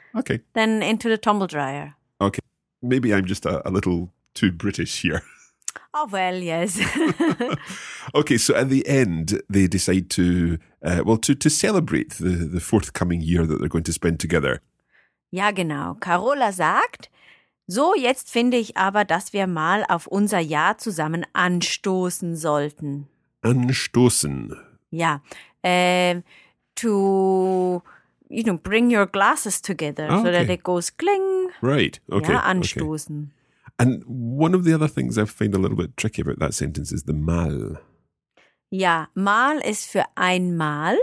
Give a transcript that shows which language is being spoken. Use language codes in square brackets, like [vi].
[en] okay. Then into the tumble dryer. Okay. Maybe I'm just a little too British here. Oh, well, yes. Okay, so at the end, they decide to celebrate the forthcoming year that they're going to spend together. [de] Ja, genau. Carola sagt, so jetzt finde ich aber, dass wir mal auf unser Jahr zusammen anstoßen sollten. Anstoßen. Ja. [en] To, you know, bring your glasses together so that it goes kling. Right, okay. [de] Ja, anstoßen. Okay. [en] And one of the other things I find a little bit tricky about that sentence is the mal. [de] Ja, mal ist für einmal.